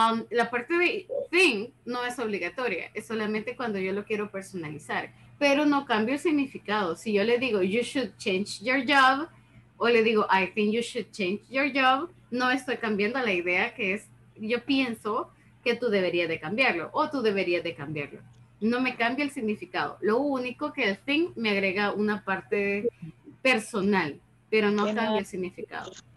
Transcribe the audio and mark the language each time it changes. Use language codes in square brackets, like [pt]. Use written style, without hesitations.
[es] La parte de thing no es obligatoria, es solamente cuando yo lo quiero personalizar, pero no cambio el significado. Si yo le digo [en] you should change your job. [es] O le digo, [en] I think you should change your job. [es] No estoy cambiando la idea que es, yo pienso que tú deberías de cambiarlo. O tú deberías de cambiarlo. no me cambia el significado. Lo único que el thing me agrega una parte personal, pero no cambia el significado.